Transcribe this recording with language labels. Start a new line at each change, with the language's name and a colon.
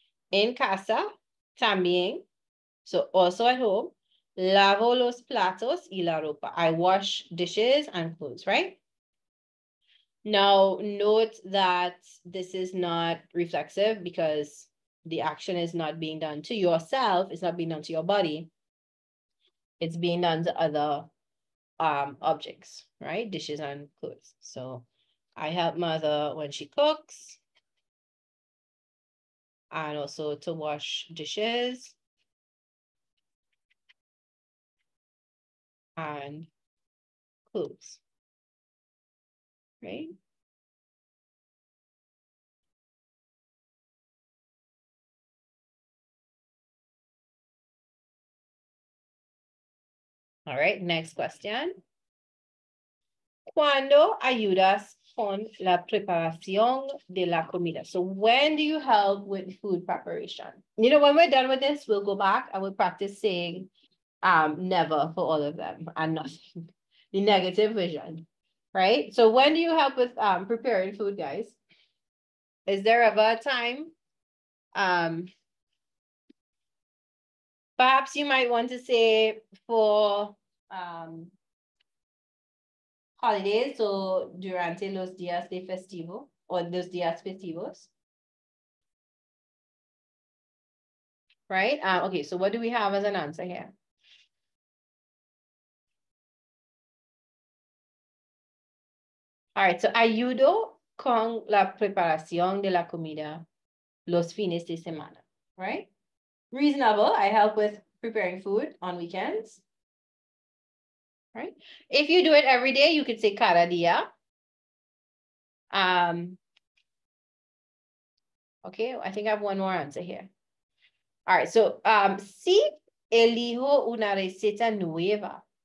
Spanish: En casa, también,
English: so also at home,
Spanish: lavo los platos y la ropa.
English: I wash dishes and clothes, right? Now, note that this is not reflexive because the action is not being done to yourself. It's not being done to your body. It's being done to other objects, right? Dishes and clothes. So I help mother when she cooks and also to wash dishes and clothes, right? All right, next question.
Spanish: ¿Cuándo ayudas con la preparación de la comida?
English: So when do you help with food preparation? You know, when we're done with this, we'll go back and we'll practice saying never for all of them and nothing. The negative vision, right? So when do you help with preparing food, guys? Is there ever a time Perhaps you might want to say for holidays, so
Spanish: durante los días de festivo o los días festivos.
English: Right? Okay, so what do we have as an answer here? All right, so
Spanish: ayudo con la preparación de la comida los fines de semana, right?
English: Reasonable, I help with preparing food on weekends, right? If you do it every day, you could say cada día. Okay, I think I have one more answer here. All right, so
Spanish: si elijo una receta nueva.